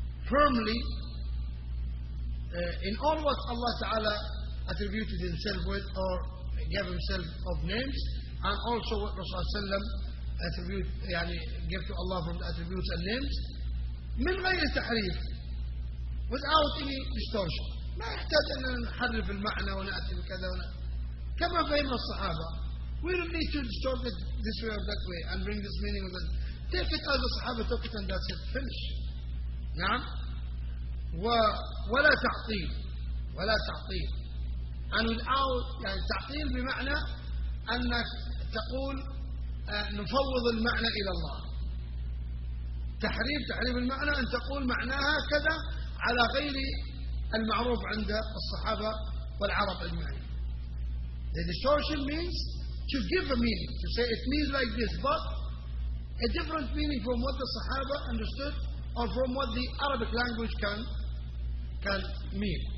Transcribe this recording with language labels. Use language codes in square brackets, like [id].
[en] Firmly in all what Allah Ta'ala attributed Himself with or gave Himself of names, and also what Rasulullah Sallam gave to Allah from the attributes and names, [ar] من غير تحريف, [en] without any distortion. [ar] ما يحتاج أن نحرف المعنى ونأتي بكذا ونأتي. كما فهم الصحابة. [en] We don't need to distort it this way or that way and bring this meaning. With it. Take it as the Sahaba took it and that's it. Finish. [ar] نعم. ولا تعطيل ولا تعطيل عن يعني تعطيل بمعنى أنك تقول نفوض المعنى إلى الله تحريف المعنى أن تقول معناها كذا على غير المعروف عند الصحابة والعرب أجمعين [en] The distortion means to give a meaning, to say it means like this, but a different meaning from what the Sahaba understood or from what the Arabic language can mean.